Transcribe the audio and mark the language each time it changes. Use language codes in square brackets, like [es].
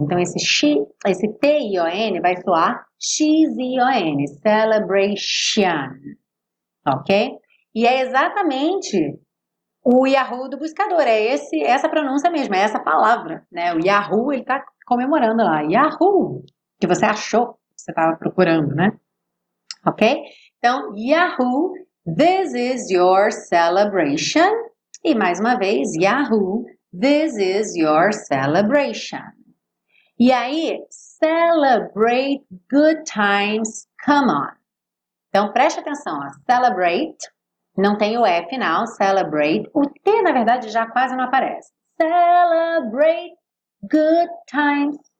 [pt] Então, esse X, esse T-I-O-N vai soar X-I-O-N, celebration, ok? E é exatamente o Yahoo do buscador, é esse, essa pronúncia mesmo, é essa palavra, né? O Yahoo, ele tá comemorando lá, Yahoo, que você achou, você tava procurando, né? Ok? [en] Então, Yahoo, this is your celebration. [pt] E mais uma vez, [en] Yahoo, this is your celebration. [pt] E aí, [en] celebrate good times, come on. [pt] Então, preste atenção, ó. Celebrate, não tem o E final, celebrate. O T, na verdade, já quase não aparece. [en] Celebrate good times.